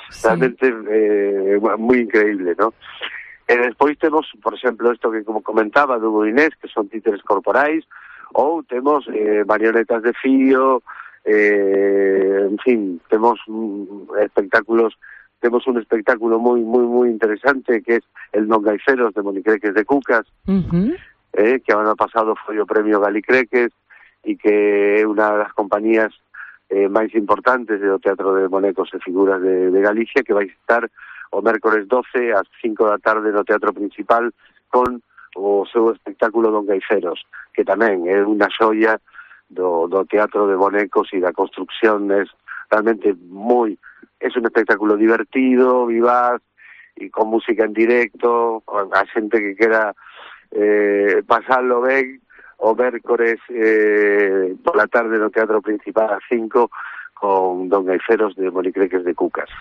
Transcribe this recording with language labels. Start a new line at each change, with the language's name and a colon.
Spanish: Sí. Realmente muy increíble, ¿no? Después tenemos, por ejemplo, esto que como comentaba, de Hugo Inés, que son títeres corporais, o tenemos marionetas de fío, en fin, tenemos espectáculos. Tenemos un espectáculo muy, muy, muy interesante, que es el Non Gaiferos de Monicreques de Cucas,
Galician: que ano pasado foi o premio Galicreques y que é una de las compañías máis importantes do Teatro de Bonecos e Figuras de Galicia, que vai estar o mércores 12 ás 5 da tarde no Teatro Principal con o seu espectáculo Non Gaiferos, que tamén é unha xoia do Teatro de Bonecos e da construcción.
Spanish: Es realmente muy... Es un espectáculo divertido, vivaz y con música en directo. A gente que quiera pasarlo bien, o miércoles por la tarde en el Teatro Principal a 5 con Don Gaiferos de Monicreques de Cucas.